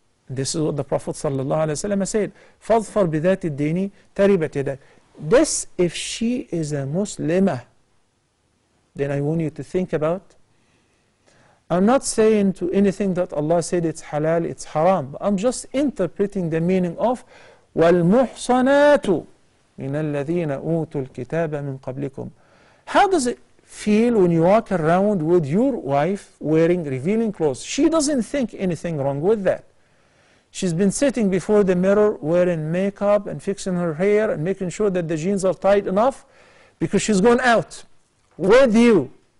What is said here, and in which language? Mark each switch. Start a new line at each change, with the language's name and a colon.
English: This is what the Prophet sallallahu alaihi wasallam said,
Arabic: فَظْفَرْ بِذَاتِ الدِّينِ تَرِبَتْ يَدَكْ.
English: This, if she is a Muslimah, then I want you to think about. I'm not saying to anything that Allah said it's halal, it's haram. I'm just interpreting the meaning of
Arabic: وَالْمُحْصَنَاتُ مِنَ الَّذِينَ أُوتُوا الْكِتَابَ مِنْ قَبْلِكُمْ.
English: How does it feel when you walk around with your wife wearing revealing clothes? She doesn't think anything wrong with that. She's been sitting before the mirror wearing makeup and fixing her hair and making sure that the jeans are tight enough because she's going out with you.